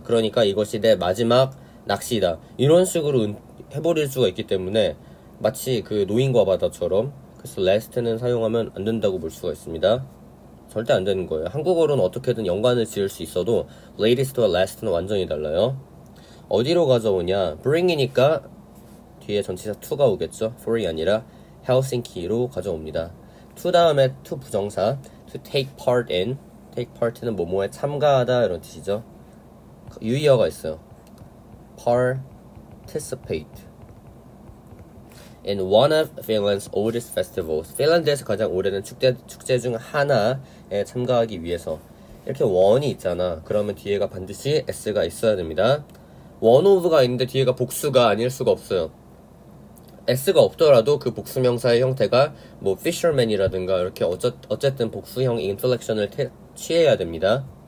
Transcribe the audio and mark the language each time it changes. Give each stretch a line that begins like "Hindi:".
Korean: 그러니까 이것이 내 마지막 낚시다. 이런 식으로 해버릴 수가 있기 때문에 마치 그 노인과 바다처럼 그래서 last는 사용하면 안 된다고 볼 수가 있습니다. 절대 안 되는 거예요. 한국어로는 어떻게든 연관을 지을 수 있어도 latest와 last는 완전히 달라요. 어디로 가져오냐? bring이니까 뒤에 전치사 to가 오겠죠? for이 아니라 Helsinki로 가져옵니다.
English: to
Korean: 다음에
English: to 부정사 to take part in. Take part
Korean: 는 뭐뭐에 참가하다 이런 뜻이죠. 유의어가 있어요.
English: Participate in one of Finland's oldest festivals.
Korean: 핀란드에서 가장 오래된 축제 중 하나에 참가하기 위해서 이렇게 원이 있잖아. 그러면 뒤에가 반드시 S가 있어야 됩니다.
English: One of
Korean: 가 있는데 뒤에가 복수가 아닐 수가 없어요. S가 없더라도 그 복수 명사의 형태가 뭐 fisherman이라든가 이렇게 어쨌든 복수형 inflection을 취해야 됩니다.